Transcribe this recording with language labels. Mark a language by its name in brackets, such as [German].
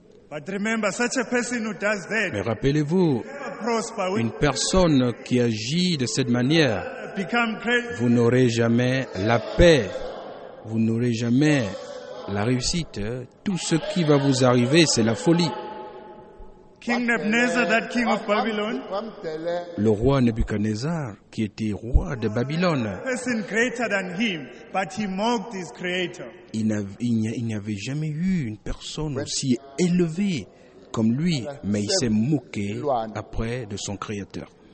[English] But remember, such a person who does that, [French] mais rappelez-vous, une personne qui agit de cette manière, vous n'aurez jamais la paix, vous n'aurez jamais la réussite. Tout ce qui va vous arriver, c'est la folie. [English] King Nebuchadnezzar, that king of Babylon, [French] le roi Nebuchadnezzar, qui était roi de Babylone, [English] person greater than him, but he mocked his creator. [French] Il n'y avait jamais eu une personne aussi élevée comme lui, mais il s'est moqué après de son créateur.